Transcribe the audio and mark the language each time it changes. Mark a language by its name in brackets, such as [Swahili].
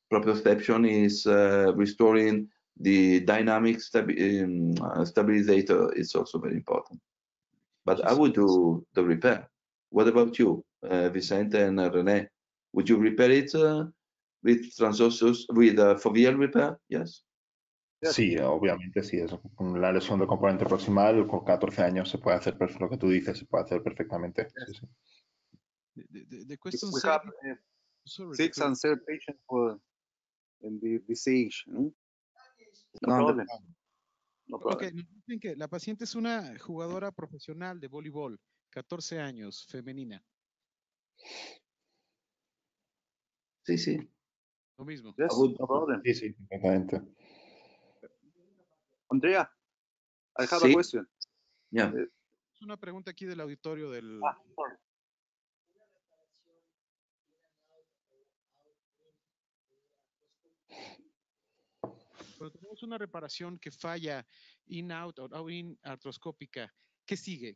[English] Proprioception is restoring the dynamic stabilizator. It's also very important. But I would do the repair. What about you, Vicente and René? Would you repair it with transosseous, with a foveal repair? Yes. [Spanish] Sí, obviamente sí. Es la lesión del componente proximal con 14 años se puede hacer. Lo que tú dices se puede hacer perfectamente. [English] Yes. [Spanish] Sí, sí. [English] The question is, six and seven patients for in the disease. [Spanish] Okay, dicen que la paciente es una jugadora profesional de voleibol, 14 años, femenina. Sí, sí. Lo mismo. [English] Yes, no problem. [Spanish] Sí, sí, exactamente. [English] Andrea, I have a question. Yeah. [Spanish] Es una pregunta aquí del auditorio del... Cuando tenemos una reparación que falla in-out o out-in artroscópica, ¿qué sigue?